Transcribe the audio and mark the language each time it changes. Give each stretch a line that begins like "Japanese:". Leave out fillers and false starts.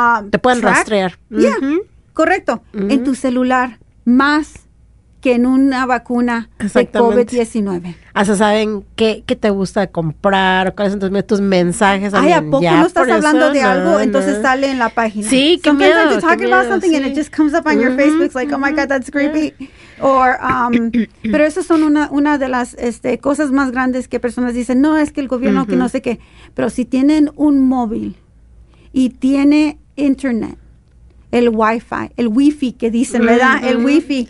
Spanish: te pueden rastrear. Correcto. En tu celular, más que en una vacuna de COVID-19. Hasta saben qué te gusta comprar, cuáles son tus mensajes. Ay, ¿a poco ya no estás hablando de algo? No, entonces sale en la página. Sí, qué
English: sometimes
Spanish: miedo.
English: Sometimes you talk about something and it just comes up on your Facebook. It's like, oh my God, that's creepy. Or,
Spanish: pero esas son una de las cosas más grandes que personas dicen. No, es que el gobierno que no sé qué. Pero si tienen un móvil y tiene internet, el Wi-Fi, el Wi-Fi que dicen, ¿verdad? El Wi-Fi,